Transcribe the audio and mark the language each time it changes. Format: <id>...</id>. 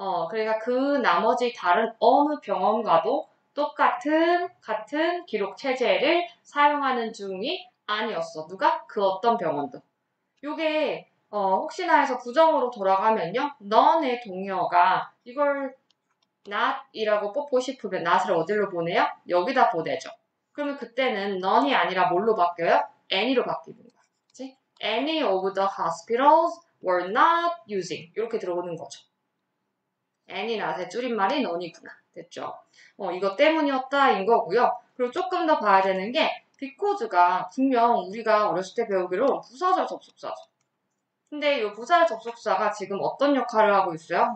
<ko>그러니까 그 나머지 다른 어느 병원과도 같은 기록 체제를 사용하는 중이 아니었어. 누가? 그 어떤 병원도. 요게, 혹시나 해서 부정으로 돌아가면요. none의 동의어가 이걸 not이라고 뽑고 싶으면 not을 어디로 보내요? 여기다 보내죠. 그러면 그때는 none이 아니라 뭘로 바뀌어요? any로 바뀌는 거야. 그치?</ko> <en>Any of the hospitals were not using.</en> <ko>이렇게 들어오는 거죠. any not의 줄임말이 none이구나. 됐죠? 이거 때문이었다인 거고요. 그리고 조금 더 봐야 되는 게 because가 분명 우리가 어렸을 때 배우기로 부사절 접속사죠. 근데 이 부사절 접속사가 지금 어떤 역할을 하고 있어요?</ko>